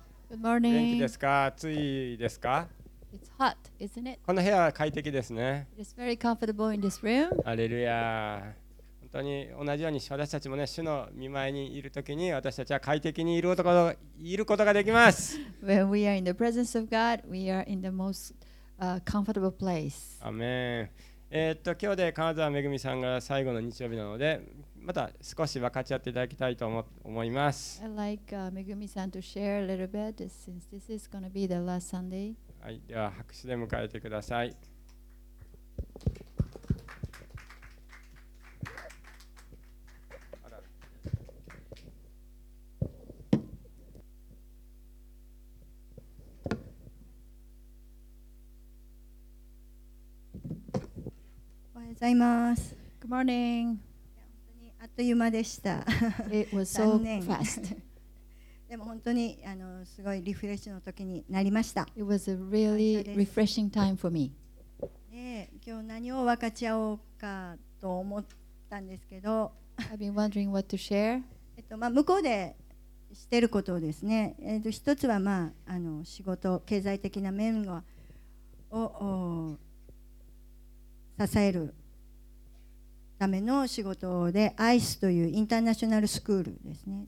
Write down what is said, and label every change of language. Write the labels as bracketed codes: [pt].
[en] Good morning. [ja] 元気ですか？暑いですか？ [en] It's hot, isn't it? [ja] この部屋は快適ですね。 [en] It's very comfortable in this room. [ja] アレルヤ。本当に同じように私たちもね、主の御前にいるときに私たちは快適にいることができます。 [en] When we are in the presence of God, we are in the most comfortable place. [ja] アメン。今日で金沢めぐみさんが最後の日曜日なので、また少し分かち合っていただきたいと思います。 [en] I'd like Megumi さんと share a little bit since this is going to be the last Sunday. [ja] はい、では拍手で迎えてください。おはようございます。 [en] Good morning. [ja] あっという間でした。 [en] It was so fast. [ja] でも本当にすごいリフレッシュの時になりました。 [en] It was a really refreshing time for me. [ja] 今日何を分かち合おうかと思ったんですけど、 [en] I've been wondering what to share. [ja] まあ向こうでしてることをですね、一つはまあ仕事、経済的な面を支えるための仕事で、ICE というインターナショナルスクールですね。